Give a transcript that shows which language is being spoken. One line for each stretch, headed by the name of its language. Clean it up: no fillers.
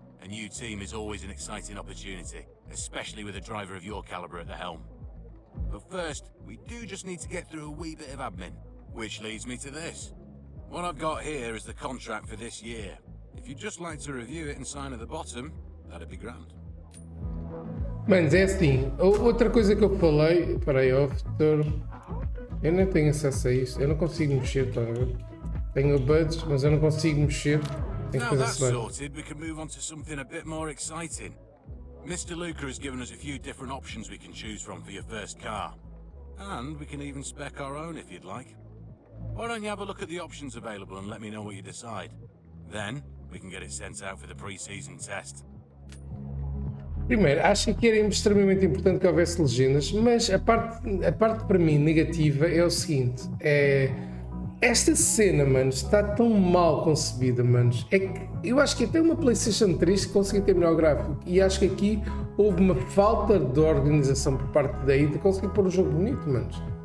English: A new team is always an exciting opportunity, especially with a driver of your caliber at the helm. But first, we do just need to get through a wee bit of admin. Which leads me to this. What I've got here is the contract for this year. If you'd just like to review it and sign at the bottom, that'd be grand.
Portuguese: Mas é assim, outra coisa que eu falei, peraí, after. Eu não tenho acesso a isto, eu não consigo mexer, tá? Tenho buds, mas eu não consigo mexer.
English: Now that's sorted, we can move on to something a bit more exciting. Mr. Luca has given us a few different options we can choose from for your first car. And we can even spec our own if you'd like. Why don't you have a look at the options available and let me know what you decide? Then we can get it sent out for the pre-season test.
Portuguese: Primeiro, acho que era extremamente importante que houvesse legendas, mas a parte para mim negativa é o seguinte: é esta cena, manos, está tão mal concebida, manos. É que eu acho que até uma PlayStation 3 conseguia ter melhor gráfico, e acho que aqui houve uma falta de organização por parte daí de conseguir pôr um jogo bonito, manos.